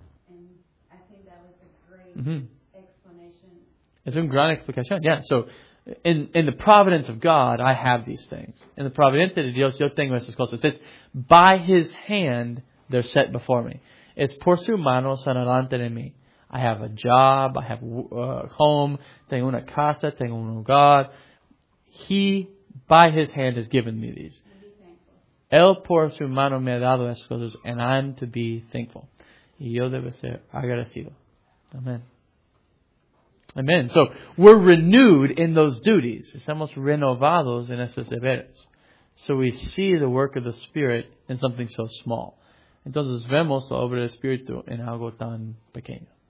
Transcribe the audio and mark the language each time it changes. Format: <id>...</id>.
<en>And I think that was a great explanation.</en> <es>Es una gran explicación.</es> <en>Yeah, so. In the providence of God, I have these things. In the providence</en> <es>de Dios, yo tengo estas cosas.</es> <en>It's by His hand, they're set before me.</en> <es>Es por su mano, son adelante de mí.</es> <en>I have a job, I have a home,</en> <es>tengo una casa, tengo un hogar.</es> <en>He, by His hand, has given me these.</en> <es>Él por su mano me ha dado estas cosas,</es> <en>and I'm to be thankful.</en> <es>Y yo debo ser agradecido. Amen. Amen.</es> <en>So, we're renewed in those duties.</en> <es>Estamos renovados en esos deberes.</es> <en>So, we see the work of the Spirit in something so small.</en> <es>Entonces, vemos la obra del Espíritu en algo tan pequeño.</es>